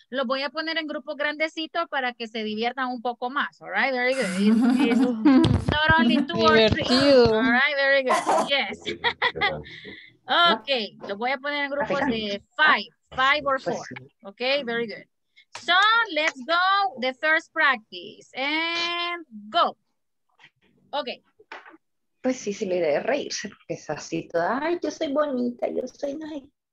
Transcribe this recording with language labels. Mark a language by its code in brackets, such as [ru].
[es] Lo voy a poner en grupo grandecito para que se diviertan un poco más. [en] All right, very good. It's not only two or three. All right, very good. Yes. [es] Okay, lo voy a poner en grupos de five or four. [en] Okay, very good. So let's go the first practice and go. Okay. [es] Pues sí, sí, la idea es reírse, porque es así toda, ay, yo soy bonita, yo soy no sé.